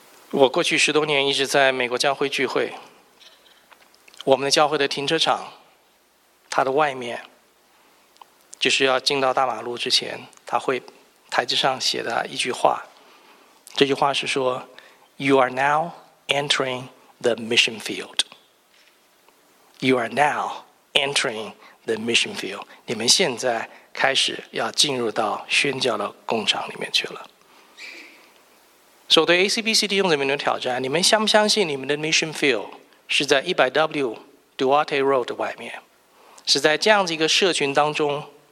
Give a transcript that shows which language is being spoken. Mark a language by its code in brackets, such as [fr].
[zh] 我过去十多年一直在美国教会聚会，我们的教会的停车场，它的外面就是要进到大马路之前，他会台子上写的一句话，这句话是说 [en] You are now entering the mission field. You are now entering the mission field. [zh] 你们现在开始要进入到宣教的工厂里面去了。所以对 ACBC 弟兄姊妹的挑战，你们相不相信你们的 mission field 是在 100W Duarte Road 的外面，是在这样子一个社群当中，